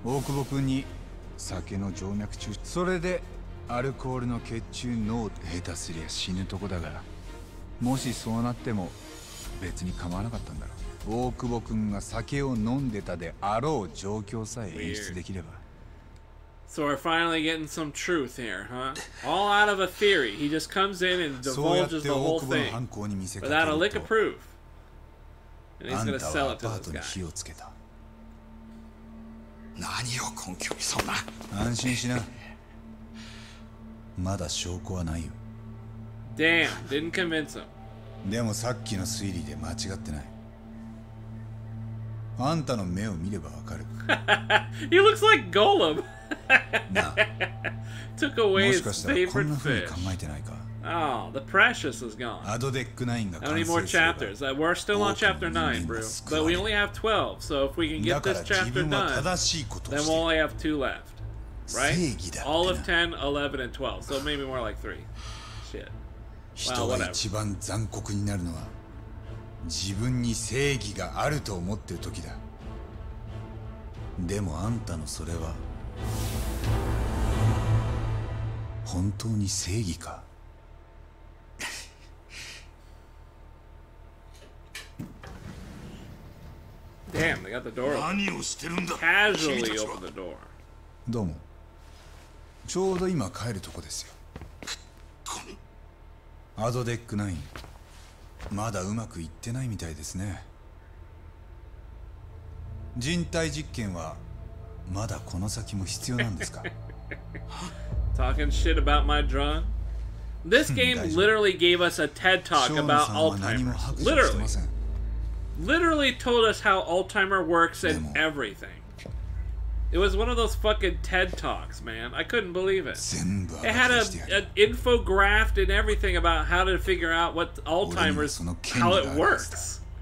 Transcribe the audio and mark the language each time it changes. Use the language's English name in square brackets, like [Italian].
[Japanese] 大久保君に酒の静脈注射、それでアルコールの血中濃度、下手すりゃ死ぬとこだが、もしそうなっても別に構わなかったんだろう。大久保君が酒を飲んでたであろう状況さえ演出できれば。 [English] So we're finally getting some truth here, huh? All out of a theory. He just comes in and divulges the whole thing without a lick of proof. And he's gonna sell it to this guy. [Japanese] 何を根拠にそんな。安心しな。まだ証拠はないよ。 [English] Damn, didn't convince him. [Japanese] でもさっきの推理で間違ってない。あんたの目を見ればわかる。 [English] He looks like Gollum. [Japanese] な。 [English] Took away his favorite fish. [Japanese] もしかしたらこんな風に考えてないか。 [English] Oh, the precious is gone. [Japanese] アドデック9が完成すれば。 [English] How many more chapters? We're still on chapter 9, bro. But we only have 12, so if we can get this chapter done, then we'll only have 2 left. Right? All of 10, 11, and 12, so maybe more like 3. Shit. Wow, whatever. [Japanese] 人が一番残酷になるのは、自分に正義があると思っている時だ。でもあんたのそれは、本当に正義か？ [English] Damn, they got the door open. Casually open the door. [Japanese] どうも。ちょうど今帰るとこですよ。アドデック9。まだうまくいってないみたいですね。人体実験はまだこの先も必要なんですか。 [English] Talking shit about my drone? This game literally gave us a TED talk about Alzheimer's. Literally. Literally told us how Alzheimer works and everything. It was one of those fucking TED Talks, man. I couldn't believe it. It had an infographic and everything about how to figure out what Alzheimer's, how it works.